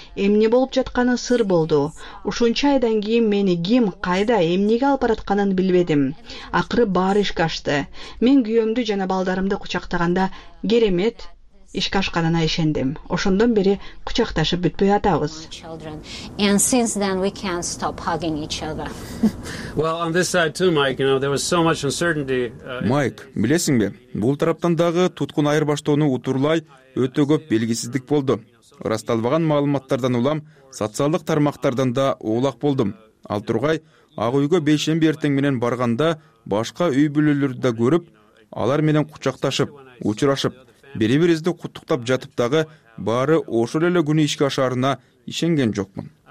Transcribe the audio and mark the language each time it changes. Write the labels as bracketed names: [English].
[Kyrgyz] Эмне болуп жатканы сыр болду. Ушунча айдан кийин мени ким, кайда, эмнеге алып баратканын билбедим. Акыры баары ишке ашты. Мен күйөөмдү жана балдарымды кучактаганда керемет ишке ашканына ишендим. Ошондон бери кучакташып бүтпөй атабыз. [English] And since then we can't stop hugging each other. Well, on this side too, Mike, you know, there was so much uncertainty. [Kyrgyz] Майк, билесиңби? Бул тараптан дагы туткун айырбаштоону утурлай өтө көп белгисиздик болду. Расталбаган маалыматтардан улам социалдык тармактардан да оолак болдум. Ал тургай Ак үйгө бейшемби эртең менен барганда башка үй бүлөлөрдү да көрүп, алар менен кучакташып, учурашып, бири бирибизди куттуктап жатып дагы баары ошол эле күнү ишке ашаарына ишенген жокмун.